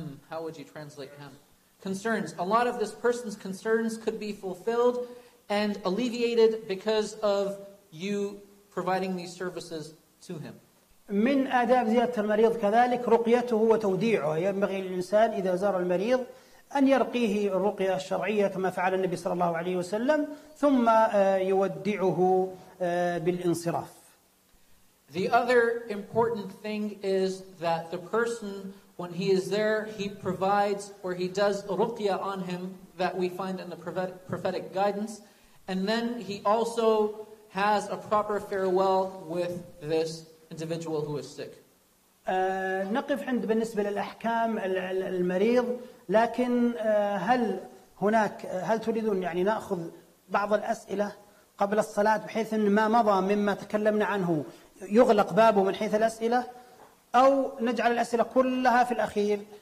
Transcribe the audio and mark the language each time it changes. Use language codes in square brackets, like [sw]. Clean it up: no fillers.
[en] How would you translate hem? Concerns. A lot of this person's concerns could be fulfilled and alleviated because of you providing these services to him. [ar] من آداب زيارة المريض كذلك رقيته وتوديعه. ينبغي للإنسان إذا زار المريض أن يرقيه الرقية الشرعية كما فعل النبي صلى الله عليه وسلم ثم يودعه بالانصراف. [en] The other important thing is that the person, when he is there, he provides or he does ruqya on him that we find in the prophetic guidance, and then he also has a proper farewell with this individual who is sick. [ar] نقف عند بالنسبة للأحكام المريض، لكن هل هناك، هل تريدون يعني نأخذ بعض الأسئلة قبل الصلاة بحيث أن ما مضى مما تكلمنا عنه يغلق بابه من حيث الأسئلة، أو نجعل الأسئلة كلها في الأخير؟